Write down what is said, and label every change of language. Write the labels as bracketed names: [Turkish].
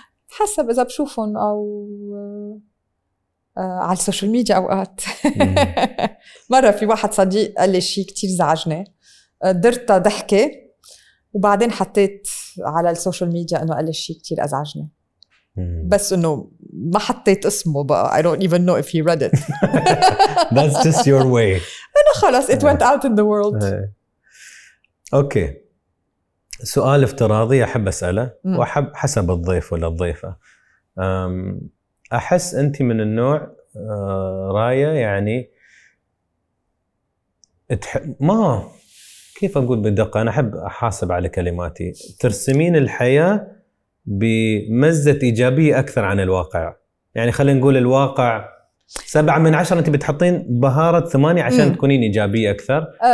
[Arabic] حسب إذا بشوفهم أو على السوشيال ميديا أوقات مرة في واحد صديق قال لي شيء كتير زعجني درت ضحكة وبعدين حطيت على السوشيال ميديا أنه قال لي شيء كتير أزعجني بس أنه ما حطيت اسمه بقى. [English] I don't even know if he read it That's just your way [Arabic] أنا خلاص [English] it went out in the world [Arabic] أوكي سؤال افتراضي أحب أسأله وأحب حسب الضيف ولا الضيفة أحس أنت من النوع راية يعني ما كيف أقول بدقة أنا أحب أحاسب على كلماتي ترسمين الحياة بمزة إيجابية أكثر عن الواقع يعني خلينا نقول الواقع 7/10 أنت بتحطين بهارة 8 عشان تكونين إيجابية أكثر